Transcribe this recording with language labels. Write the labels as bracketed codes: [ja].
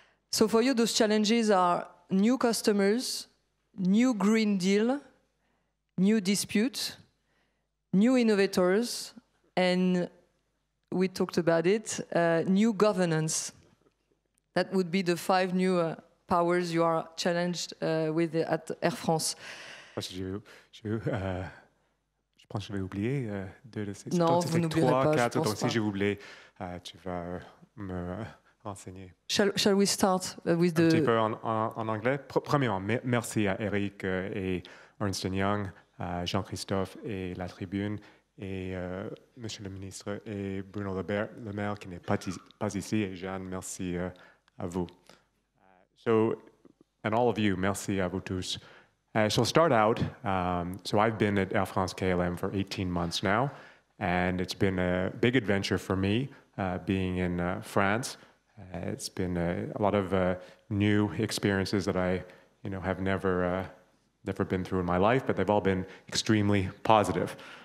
[en] So for you, those challenges are new customers, new Green Deal, new disputes, new innovators, and we talked about it, new governance. That would be the five new powers you are challenged with at Air France. [fr] Je pense que je vais oublier deux de ces. Non, vous n'oublierez pas, je pense pas. Donc si j'ai oublié, tu vas me renseigner. [en] Shall we start with the... [fr] Un petit peu en anglais. Premièrement, merci à Eric et Ernst & Young, Jean-Christophe et La Tribune, et Monsieur le ministre et Bruno Le Maire, qui n'est pas ici, et Jeanne, merci à vous. [en] So, and all of you, [fr] merci à vous tous. [en] So start out, so I've been at Air France KLM for 18 months now, and it's been a big adventure for me being in France. It's been a lot of new experiences that I, you know, have never been through in my life, but they've all been extremely positive.